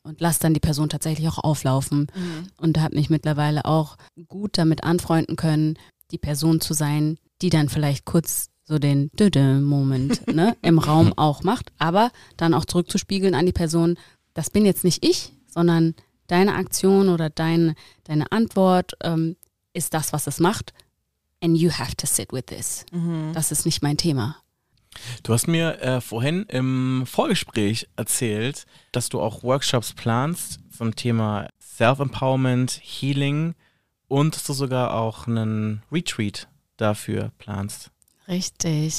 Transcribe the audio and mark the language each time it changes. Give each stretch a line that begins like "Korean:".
German: Und lasse dann die Person tatsächlich auch auflaufen. Mhm. Und habe mich mittlerweile auch gut damit anfreunden können, die Person zu sein, die dann vielleicht kurz so den Dö-Dö-Moment ne, im Raum auch macht. Aber dann auch zurückzuspiegeln an die Person, das bin jetzt nicht ich, sondern deine Aktion oder deine Antwort ist das, was es macht.
English: And you have to sit with this. Mhm.
German: Das ist nicht mein Thema. Du hast mir vorhin im Vorgespräch erzählt, dass du auch Workshops planst zum Thema Self-Empowerment, Healing und dass du sogar auch einen Retreat dafür planst. Richtig.